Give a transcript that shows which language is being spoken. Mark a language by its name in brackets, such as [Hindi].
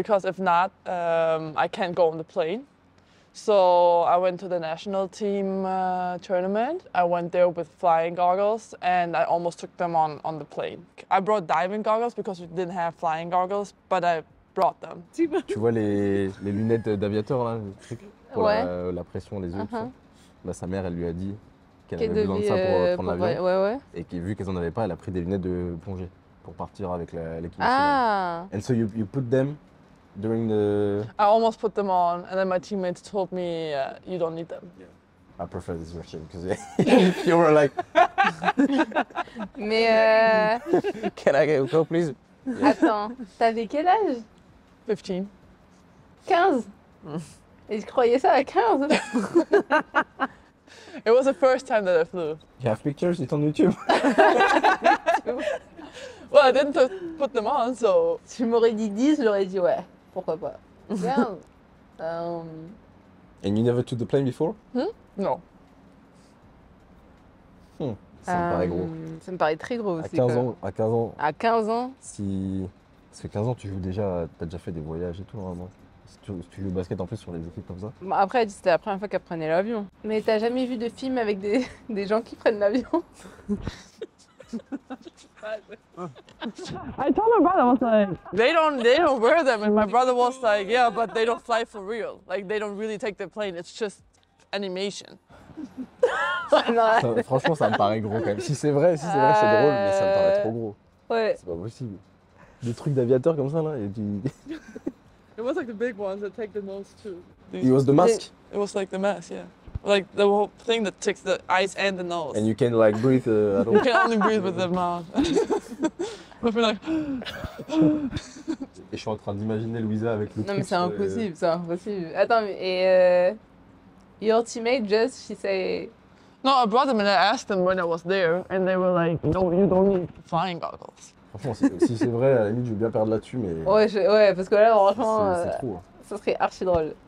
[English] Because if not, I can't go on the plane. So I went to the national team tournament. I went there with flying goggles and I almost took them on the plane. I brought diving goggles because we didn't have flying goggles, but I brought them. [French] Tu vois les lunettes d'aviateur là, le truc pour ouais. la pression les yeux. Uh-huh. Bah sa mère elle lui a dit qu'elle avait besoin de ça pour prendre l'avion. Ouais ouais. Et qu'elle, vu qu'elle en avait pas, elle a pris des lunettes de plongée pour partir avec l'équipe. Ah. [English] And so you put them during the... I almost put them on, and then my teammates told me you don't need them. Yeah. I prefer this version, because you were like... [French] Mais [English] Can I get a go, please? [French] Yeah. Attends, t'avais quel âge? [English] 15. [French] 15? Et je croyais ça à 15? [English] It was the first time that I flew. You have pictures? It's on YouTube. Well, I didn't put them on, so... [French] Tu m'aurais dit 10, j'aurais dit ouais. Pourquoi pas? Yeah. [English] And you never took the plane before? Hmm? No. [French] Ça me paraît gros. Ça me paraît très gros aussi. À 15 ans. Si... Parce que 15 ans, tu joues déjà, t'as déjà fait des voyages et tout, vraiment. Si tu joues au basket en plus sur les équipes comme ça. Bon, après, c'était la première fois qu'elle prenait l'avion. Mais t'as jamais vu de film avec des gens qui prennent l'avion? [English] I told my brother, I was like, they don't wear them, and my brother was like, yeah, but they don't fly for real. Like, they don't really take the plane. It's just animation. [French] Ça, franchement, ça me paraît gros quand même. Si c'est vrai, c'est drôle, mais ça me paraît trop gros. Ouais. C'est pas possible. Des trucs d'aviateur comme ça là. Et tu... [English] It was like the big ones that take the most too. It was the mask. It was like the mask, yeah. Like the whole thing that takes the eyes and the nose. And you can like breathe at all. You can only breathe with the mouth. But we're like... [French] Et je suis en train d'imaginer Luisa avec le truc. Non mais c'est impossible, c'est impossible. Attends, mais... [English] your teammate just, she say... No, I brought them and I asked them when I was there. And they were like, no, you don't need flying goggles. [French] Franchement, si c'est vrai, à la limite, je veux bien perdre là-dessus, mais... Ouais, parce que là, franchement, c'est trop, hein. Ça serait archi drôle.